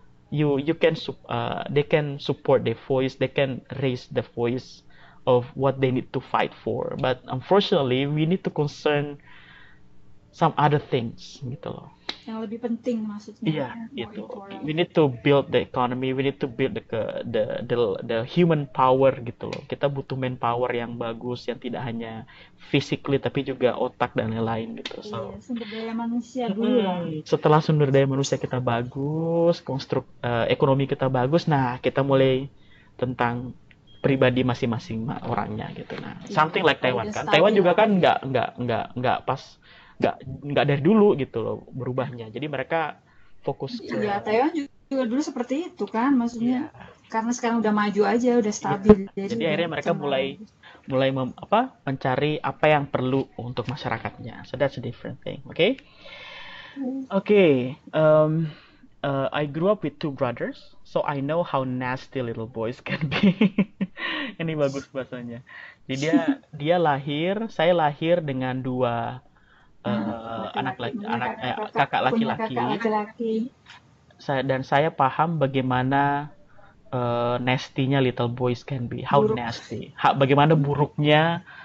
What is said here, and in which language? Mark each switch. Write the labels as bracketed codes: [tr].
[en] They can support their voice, they can raise the voice of what they need to fight for, but unfortunately we need to concern some other things [id] gitu loh. Yang lebih penting maksudnya. Iya, gitu. [en] We need to build the economy, we need to build the human power [id] gitu loh. Kita butuh manpower yang bagus yang tidak hanya physically tapi juga otak dan lain-lain gitu. [en] So, [id] sumber daya manusia dulu lah. Setelah sumber daya manusia kita bagus, konstruk ekonomi kita bagus, nah kita mulai tentang pribadi masing-masing orangnya gitu. Nah, [en] something like [id] Taiwan kan. Taiwan juga kan nggak dari dulu gitu loh berubahnya. Jadi mereka fokus ke. Iya, Taiwan juga dulu seperti itu kan. Maksudnya karena sekarang udah maju aja, udah stabil. Jadi akhirnya mereka mulai mencari apa yang perlu untuk masyarakatnya. [en] So that's a different thing, okay? Okay. I grew up with two brothers, so I know how nasty little boys can be. [id] Ini bagus bahasanya. Jadi dia lahir, saya lahir dengan dua kakak laki-laki. Kakak laki-laki. Dan saya paham bagaimana nasty-nya [en] little boys can be, how [id] buruk. nasty, bagaimana buruknya